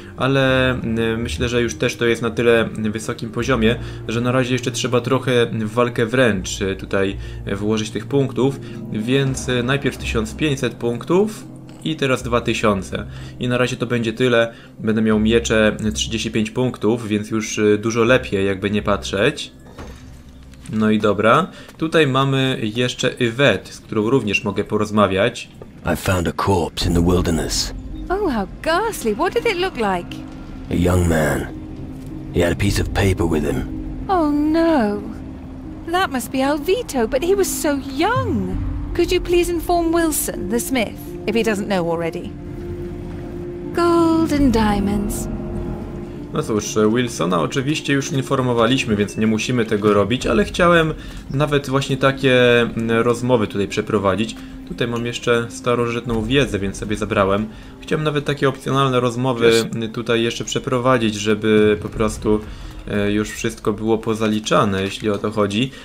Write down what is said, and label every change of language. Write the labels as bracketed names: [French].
[Polish] Ale myślę, że już też to jest na tyle wysokim poziomie, że na razie jeszcze trzeba trochę w walkę wręcz tutaj włożyć tych punktów, więc najpierw 1500 punktów i teraz 2000. I na razie to będzie tyle, będę miał miecze 35 punktów, więc już dużo lepiej, jakby nie patrzeć. No i dobra, tutaj mamy jeszcze Yvette, z którą również mogę porozmawiać. [English] I found a corpse in the wilderness. Oh, how ghastly. What did it look like? A young man. He had a piece of paper with him. Oh no. That must be Alvito, but he was so young. Could you please inform Wilson, the smith, if he doesn't know already? Gold and diamonds. [Polish] No cóż, Wilsona oczywiście już informowaliśmy, więc nie musimy tego robić, ale chciałem nawet właśnie takie rozmowy tutaj przeprowadzić. Tutaj mam jeszcze starożytną wiedzę, więc sobie zabrałem. Chciałem nawet takie opcjonalne rozmowy tutaj jeszcze przeprowadzić, żeby po prostu już wszystko było pozaliczane, jeśli o to chodzi.